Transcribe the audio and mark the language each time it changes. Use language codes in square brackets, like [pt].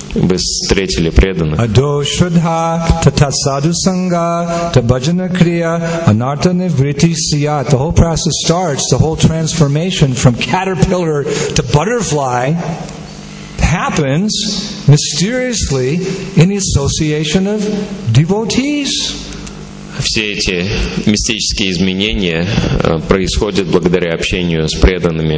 [ru] Вы встретили преданных. [sa] Адо шрадха тата саду санга та баджана крия анарта нивритти сия. [en] The whole process starts, the whole transformation from caterpillar to butterfly happens mysteriously in the association of devotees. [ru] Все эти мистические изменения происходят благодаря общению с преданными.